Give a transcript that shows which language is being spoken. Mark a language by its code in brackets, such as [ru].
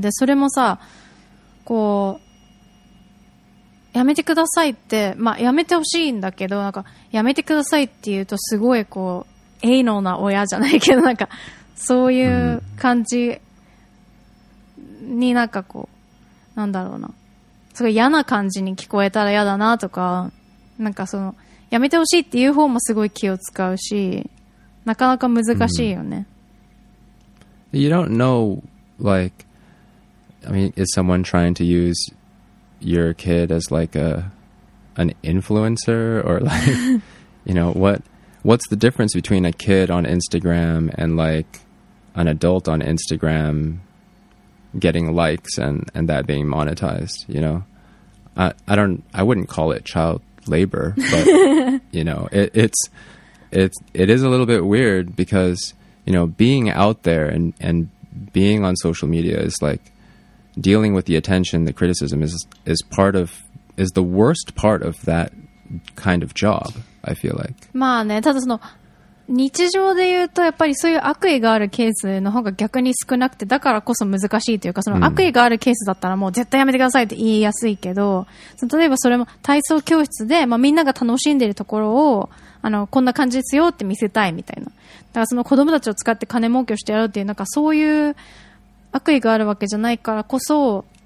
[ja] でそれもさ、こうやめてくださいって、まあやめてほしいんだけど、なんかやめてくださいって言うとすごいこう英能な親じゃないけど、なんかそういう感じに、なんかこうなんだろうな、すごい嫌な感じに聞こえたら嫌だなとか、なんかそのやめてほしいっていう方もすごい気を使うし、なかなか難しいよね。 [en] You don't know, like, I mean, is someone trying to use your kid as like an influencer or like, you know, what's the difference between a kid on Instagram and like an adult on Instagram getting likes and that being monetized, you know? I wouldn't call it child labor, but you know, it is a little bit weird because, you know, being out there and being on social media is like dealing with the attention, the criticism is the worst part of that kind of job, I feel like. [ja] まあね、ただその日常で言うとやっぱりそういう悪意があるケースの方が逆に少なくて、だからこそ難しいというか、その悪意があるケースだったらもう絶対やめてくださいって言いやすいけど、その例えばそれも体操教室で、まあ、みんなが楽しんでるところをあのこんな感じですよって見せたいみたいな、だからその子供たちを使って金儲けをしてやろうっていう、なんかそういう悪意があるわけじゃないからこそ、